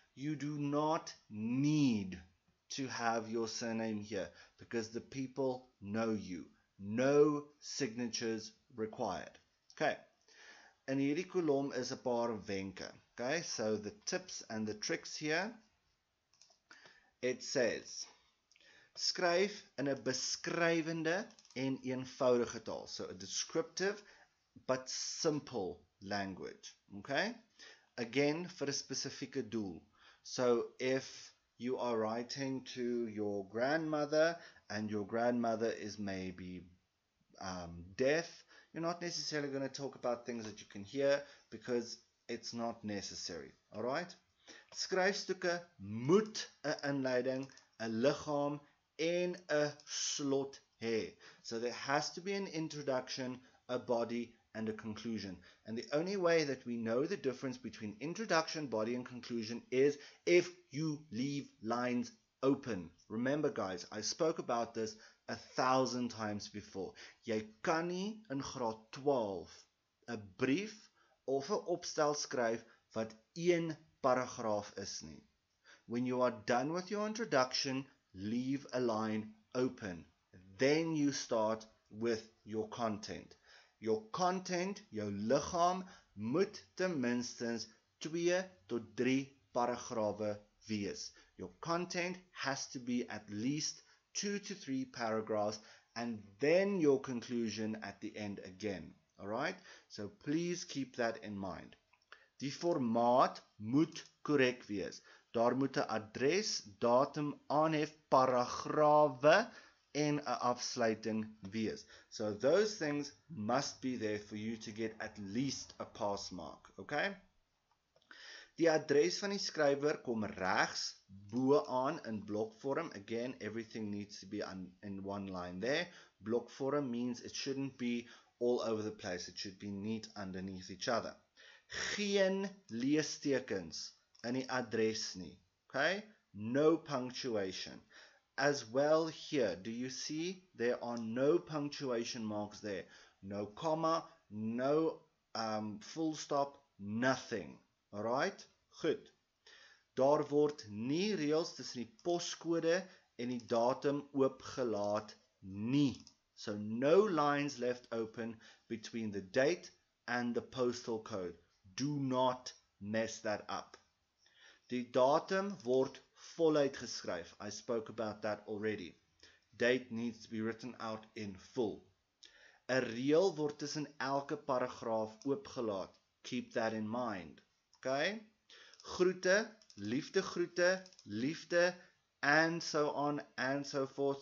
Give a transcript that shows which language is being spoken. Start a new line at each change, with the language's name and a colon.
English: You do not need to have your surname here because the people know you. No signatures required, okay?
Afrikaans: In hierdie kolom is 'n paar wenke.
English: Okay, so the tips and the tricks here. It says,
Afrikaans: skryf in 'n beskrywende en eenvoudige taal.
English: So a descriptive but simple language. Okay, again, for a specific doel. So if you are writing to your grandmother and your grandmother is maybe deaf, you're not necessarily going to talk about things that you can hear because it's not necessary. All right?
Afrikaans: Skryfstukke moet 'n inleiding, 'n liggaam en 'n slot hê.
English: So there has to be an introduction, a body, and a conclusion. And the only way that we know the difference between introduction, body, and conclusion is if you leave lines open. Remember, guys, I spoke about this 1,000 times before.
Afrikaans: Jy kan nie in graad 12 'n brief of 'n opstel skryf wat een paragraaf is nie.
English: When you are done with your introduction, leave a line open. Then you start with your content. Your content,
Afrikaans: jou liggaam, moet ten minste 2 tot 3 paragrawe wees.
English: Your content has to be at least 2 to 3 paragraphs, and then your conclusion at the end again. Alright? So please keep that in mind.
Afrikaans: Die formaat moet korrek wees. Daar moet 'n adres, datum, aanhef, paragrawe en 'n afsluiting wees.
English: So those things must be there for you to get at least a pass mark, okay?
Afrikaans: Die adres van die skrywer kom regs bo-aan in blokvorm.
English: Again, everything needs to be in one line there. Blokvorm means it shouldn't be all over the place. It should be neat underneath each other.
Afrikaans: Geen leestekens in die adres nie.
English: Okay? No punctuation. As well here, do you see there are no punctuation marks there? No comma, no full stop, nothing. Alright? Goed.
Afrikaans: Daar word nie reëls tussen die poskode en die datum oopgelaat nie.
English: So no lines left open between the date and the postal code. Do not mess that up.
Afrikaans: Die datum word voluit geskryf.
English: I spoke about that already. Date needs to be written out in full.
Afrikaans: 'N reël word tussen elke paragraaf oopgelaat.
English: Keep that in mind. Okay?
Afrikaans: Groete, liefde,
English: and so on and so forth.